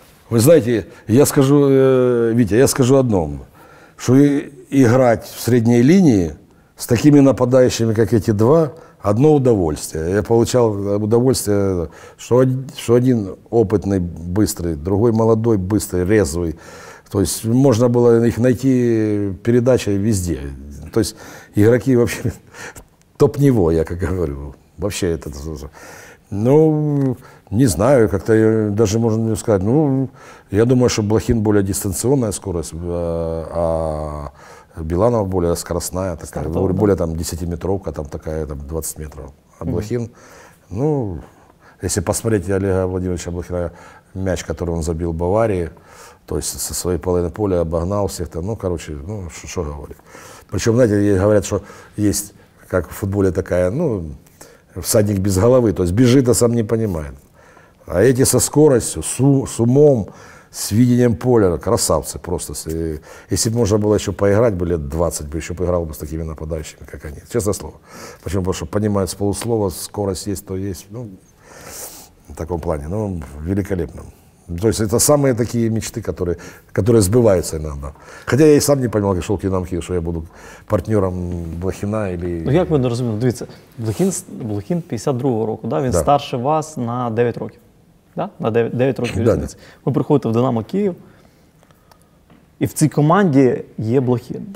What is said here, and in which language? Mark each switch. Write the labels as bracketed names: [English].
[Ukrainian] Ви знаєте, я скажу, Вітя, я скажу одне, що іграти в середній лінії з такими нападаючими, як ці два, [Russian] одно удовольствие. [Ukrainian] Я получав удовольствие, що один опитний, швидкий, другий молодий, швидкий, резвий. Тобто можна було їх знайти передачі везде. Тобто ігроки взагалі топ-ніво, я як говорю. [Russian] Вообще это, ну, не знаю, как-то даже можно не сказать. Ну, я думаю, что Блохин более дистанционная скорость, а Биланова более скоростная, такая, стартовый, более там 10-метровка, там такая, там 20 метров. А Блохин, ну, если посмотреть Олега Владимировича Блохина, мяч, который он забил в Баварии, то есть со своей половины поля обогнал всех, там, ну, короче, ну, что говорить. Причем, знаете, говорят, что есть, как в футболе такая, ну, всадник без головы, то есть бежит, а сам не понимает. А эти со скоростью, с умом, с видением поля, красавцы просто. Если бы можно было еще поиграть бы лет 20, еще поиграл бы с такими нападающими, как они. Честное слово. Почему? Потому что понимают с полуслова, скорость есть, то есть. Ну, в таком плане. Ну, великолепно. То есть это самые такие мечты, которые сбываются иногда. Хотя я и сам не понимал, как шел Кинамхи, что я буду партнером Блохина или... Ну, как вы не разумеете? [Ukrainian] Дивіться, Блохин 52-го року, да? Він старше вас на 9 років. Да? На 9 років. Да, да. Ви приходите в Динамо Київ, і в цій команді є Блохин.